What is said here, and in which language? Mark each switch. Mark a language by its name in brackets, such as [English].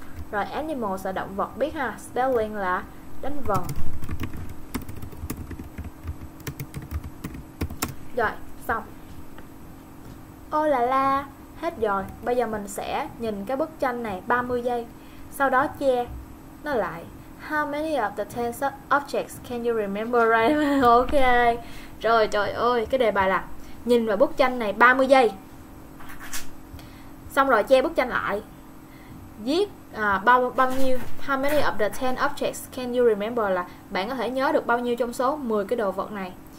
[Vietnamese] Rồi animals là động vật biết ha. Spelling là đánh vần. Rồi, xong. Ô là la, hết rồi. Bây giờ mình sẽ nhìn cái bức tranh này 30 giây. Sau đó che nó lại. [English] How many of the 10 objects can you remember right? Ok. [Vietnamese] Rồi trời ơi, cái đề bài là nhìn vào bức tranh này 30 giây. Xong rồi che bức tranh lại. Viết bao bao nhiêu? [English] How many of the 10 objects can you remember [Vietnamese] là bạn có thể nhớ được bao nhiêu trong số 10 cái đồ vật này.